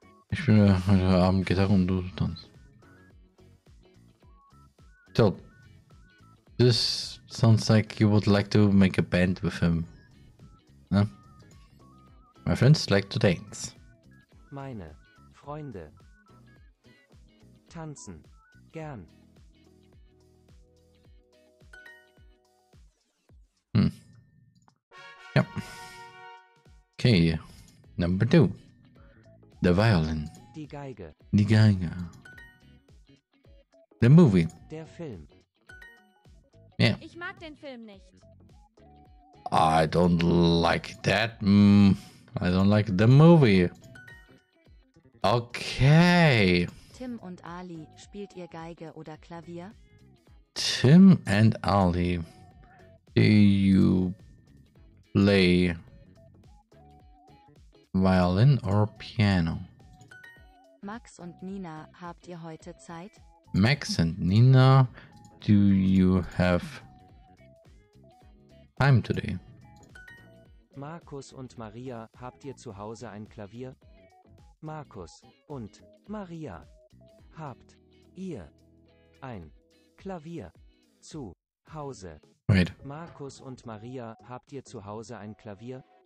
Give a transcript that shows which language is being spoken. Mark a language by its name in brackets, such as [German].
[German] Ich spiele heute Abend Gitarre und du tanzt. [English] So. This sounds like you would like to make a band with him. Ne? My friends like to dance. [German] Meine Freunde tanzen gern. [English] Yep. Okay. Number two. The violin. [German] Die Geige. Die Geige. [English] The movie. [German] Der Film. [English] Yeah. [German] Ich mag den Film nicht. [English] I don't like that. I don't like the movie. Okay. [German] Tim und Ali, spielt ihr Geige oder Klavier? [English] Tim and Ali, do you play violin or piano? [German] Max und Nina, habt ihr heute Zeit? [English] Max and Nina, do you have time today? [German] Markus und Maria, habt ihr zu Hause ein Klavier? Markus und Maria, habt ihr ein Klavier zu Hause? [English] Wait. [German] Markus und Maria, habt ihr zu Hause ein Klavier?